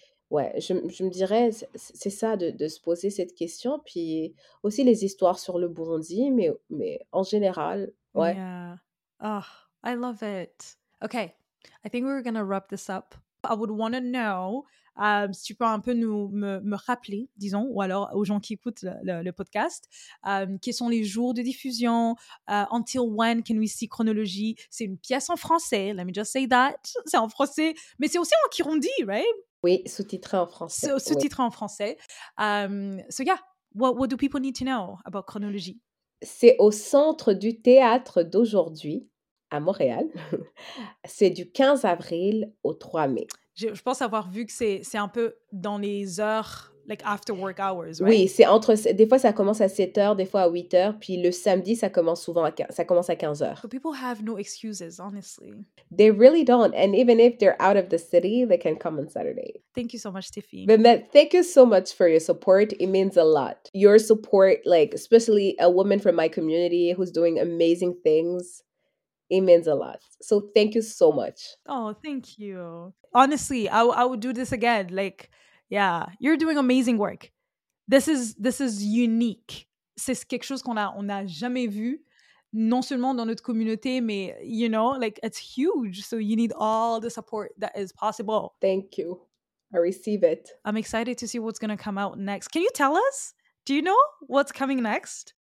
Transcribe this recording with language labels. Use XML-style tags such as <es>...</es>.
<fr>Ouais, je me dirais, c'est ça, de se poser cette question. Puis aussi les histoires sur le Burundi, mais en général, ouais.</fr> <en>Yeah. Oh, I love it. Okay, I think we're gonna wrap this up. I would want to know,</en> <fr>si tu peux un peu me rappeler, disons, ou alors aux gens qui écoutent le podcast, quels sont les jours de diffusion,</fr> <en>until when can we see</en> <fr>chronologie? C'est une pièce en français,</fr> <en>let me just say that,</en> <fr>c'est en français, mais c'est aussi en kirundi,</fr> <en>right?</en> <fr>Oui, sous-titré en français. Sous-titré en français.</fr> <en>So yeah, what do people need to know about chronologie?</en> <fr>C'est au Centre du théâtre d'aujourd'hui. À Montréal, c'est du 15 avril au 3 mai. Je pense avoir vu que c'est un peu dans les heures</fr> <en>Like after work hours, right?</en> <fr>Oui, c'est entre... Des fois, ça commence à 7h, des fois à 8h. Puis le samedi, ça commence souvent à... Ça commence à 15h.</fr> <en>But people have no excuses, honestly. They really don't. And even if they're out of the city, they can come on Saturday. Thank you so much, Tiffy. But Matt, thank you so much for your support. It means a lot. Your support, like, especially a woman from my community who's doing amazing things, it means a lot. So thank you so much. Oh, thank you. Honestly, I would do this again, like... Yeah, you're doing amazing work. This is unique.</en> <fr>C'est quelque chose qu'on a jamais vu, non seulement dans notre communauté, mais,</fr> <en>you know, like, it's huge. So you need all the support that is possible. Thank you. I receive it. I'm excited to see what's going to come out next. Can you tell us? Do you know what's coming next?</en>